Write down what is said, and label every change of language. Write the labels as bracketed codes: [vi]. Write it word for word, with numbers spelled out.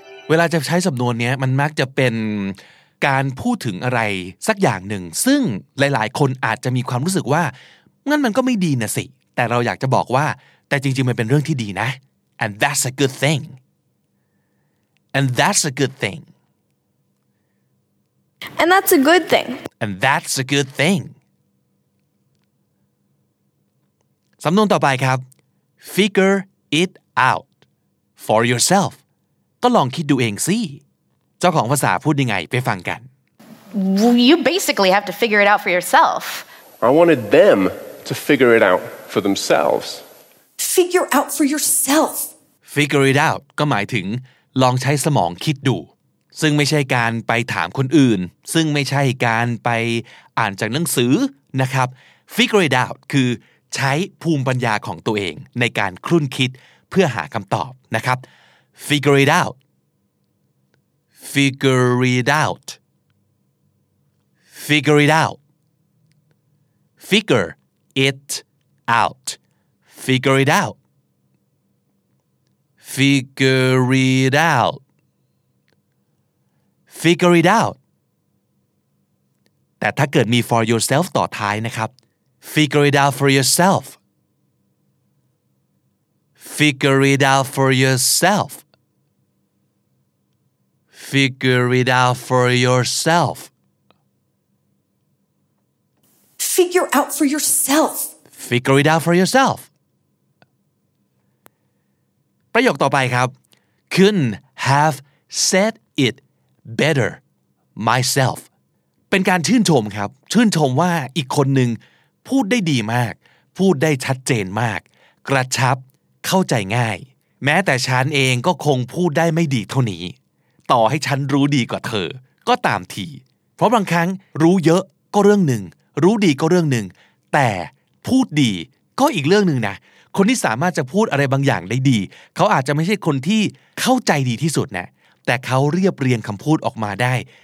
[th] เวลาจะใช้สำนวนนี้มันมักจะเป็นการพูดถึงอะไรสักอย่างหนึ่งซึ่งหลายๆคนอาจจะมีความรู้สึกว่างั้นมันก็ไม่ดีนะสิแต่เราอยากจะบอกว่าแต่จริงๆมันเป็นเรื่องที่ดีนะ [en] and that's a good thing [th] and that's a good thing [en] and that's a good thing and that's a good thing [th] สำนวนต่อไปครับ [en] figure it out for yourself [th] ก็ลองคิดดูเองสิเจ้าของภาษาพูดยังไงไปฟังกัน [en] You basically have to figure it out for yourself. I wanted them to figure it out for themselves. Figure out for yourself. Figure it out [th] ก็หมายถึงลองใช้สมองคิดดูซึ่งไม่ใช่การไปถามคนอื่นซึ่งไม่ใช่การไปอ่านจากหนังสือนะครับ Figure it out คือใช้ภูมิปัญญาของตัวเองในการครุ่นคิดเพื่อหาคำตอบนะครับ [en] Figure it out. Figure it out. Figure it out. Figure it out. Figure it out. Figure it out. Figure it out. [th] แต่ถ้าเกิดมี [en] for yourself [th] ต่อท้ายนะครับ [en] Figure it out for yourself. Figure it out for yourself. Figure it out for yourself. Figure out for yourself. Figure it out for yourself. [th] ประโยคต่อไปครับ [en] Couldn't have said it better myself. [th] เป็นการชื่นชมครับชื่นชมว่าอีกคนหนึ่งพูดได้ดีมากพูดได้ชัดเจนมากกระชับเข้าใจง่ายแม้แต่ฉันเองก็คงพูดได้ไม่ดีเท่านี้ต่อให้ฉันรู้ดีกว่าเธอก็ตามทีเพราะบางครั้งรู้เยอะก็เรื่องหนึ่งรู้ดีก็เรื่องหนึ่งแต่พูดดีก็อีกเรื่องหนึ่งนะคนที่สามารถจะพูดอะไรบางอย่างได้ดีเขาอาจจะไม่ใช่คนที่เข้าใจดีที่สุดนะแต่เขาเรียบเรียงคำพูดออกมาได้